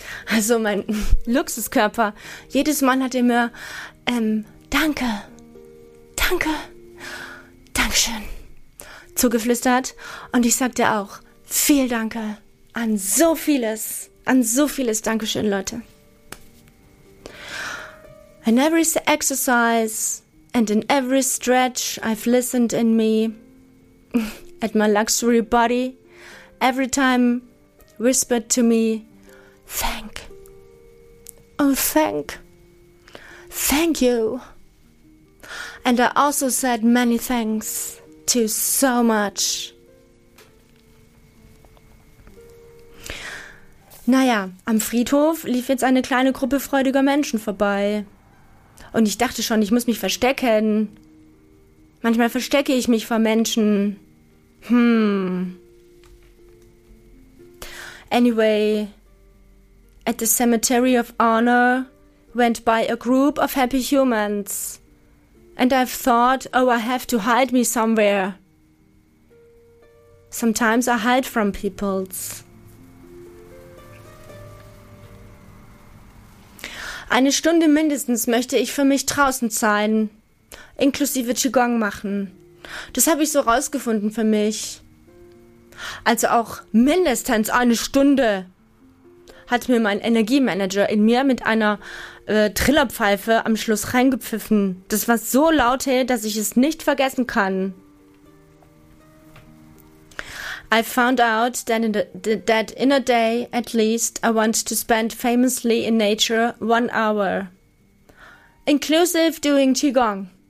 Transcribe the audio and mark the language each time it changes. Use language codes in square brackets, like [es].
[de] Also mein Luxuskörper, jedes Mal hat er mir, danke, danke, dankeschön zugeflüstert. Und ich sagte auch, viel Danke an so vieles Dankeschön, Leute. [en] In every exercise and in every stretch I've listened in me, at my luxury body, every time whispered to me, thank. Oh, thank. Thank you. And I also said many thanks to so much. [de] Naja, am Friedhof lief jetzt eine kleine Gruppe freudiger Menschen vorbei. Und ich dachte schon, ich muss mich verstecken. Manchmal verstecke ich mich vor Menschen. [en] Anyway, at the Cemetery of Honor went by a group of happy humans. And I've thought, oh, I have to hide me somewhere. Sometimes I hide from peoples. [de] Eine Stunde mindestens möchte ich für mich draußen sein, inklusive Qigong machen. Das habe ich so rausgefunden für mich. Also auch mindestens eine Stunde hat mir mein Energiemanager in mir mit einer Trillerpfeife am Schluss reingepfiffen. Das war so laut, dass ich es nicht vergessen kann. [en] I found out that in a day, at least, I want to spend famously in nature 1 hour. Inclusive doing Qigong.